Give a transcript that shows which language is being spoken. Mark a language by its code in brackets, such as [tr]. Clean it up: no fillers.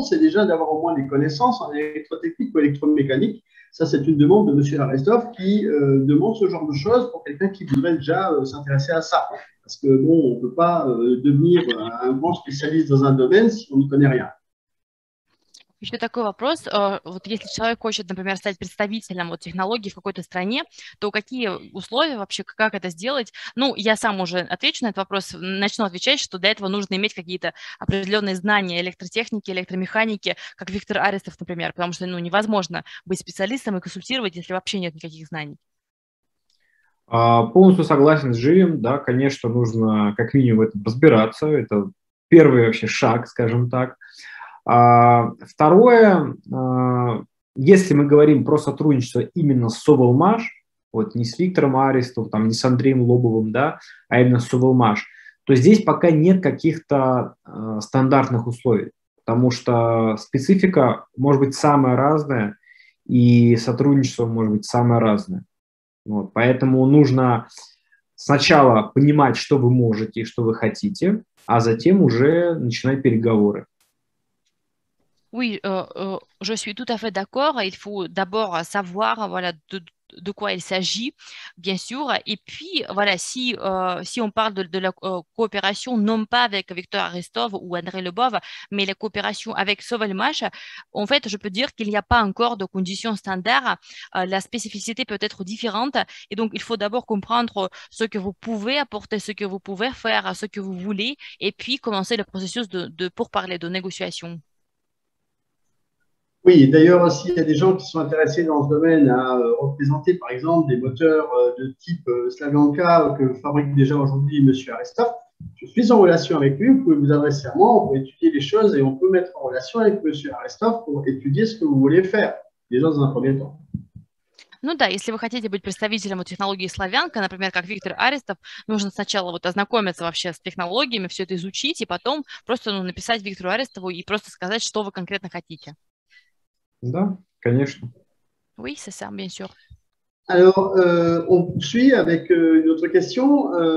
[fr] C'est déjà d'avoir au moins des connaissances en électrotechnique ou électromécanique. Ça, c'est une demande de M. Aristov qui demande ce genre de choses pour quelqu'un qui voudrait déjà s'intéresser à ça. Parce que, bon, on ne peut pas devenir un grand spécialiste dans un domaine si on n'y connaît rien. [ru] Еще такой вопрос. Вот если человек хочет, например, стать представителем вот технологии в какой-то стране, то какие условия вообще, как это сделать? Ну, я сам уже отвечу на этот вопрос, начну отвечать, что для этого нужно иметь какие-то определенные знания электротехники, электромеханики, как Виктор Аристов, например, потому что, ну, невозможно быть специалистом и консультировать, если вообще нет никаких знаний. Полностью согласен с Жилем, да, конечно, нужно как минимум в этом разбираться, это первый вообще шаг, скажем так. Второе, если мы говорим про сотрудничество именно с Увелмаш, вот не с Виктором Аристовым, там, не с Андреем Лобовым, да, а именно с Увелмаш, то здесь пока нет каких-то стандартных условий, потому что специфика может быть самая разная, и сотрудничество может быть самое разное. Вот, поэтому нужно сначала понимать, что вы можете и что вы хотите, а затем уже начинать переговоры. [fr] Oui, je suis tout à fait d'accord. Il faut d'abord savoir voilà, de quoi il s'agit, bien sûr. Et puis, voilà, si on parle de la coopération, non pas avec Victor Aristov ou André Lebov, mais la coopération avec Sauvelmash, en fait, je peux dire qu'il n'y a pas encore de conditions standards. La spécificité peut être différente. Et donc, il faut d'abord comprendre ce que vous pouvez apporter, ce que vous pouvez faire, ce que vous voulez, et puis commencer le processus de pourparlers, de négociation. Oui, d'ailleurs, s'il y a des gens qui sont intéressés dans ce domaine à représenter, par exemple, des moteurs de type Slavyanka que fabrique déjà aujourd'hui M. Aristov, je suis en relation avec lui, vous pouvez vous adresser à moi, on peut étudier les choses et on peut mettre en relation avec M. Aristov pour étudier ce que vous voulez faire, déjà dans un premier temps. [ru] Ну да, если вы хотите быть представителем технологии Славянка, например, как Виктор Аристов, нужно сначала вот ознакомиться вообще с технологиями, все это изучить, и потом просто ну, написать Виктору Аристову и просто сказать, что вы конкретно хотите. Да, конечно. [fr] Oui, c'est ça, bien sûr. Alors, on poursuit avec une autre question.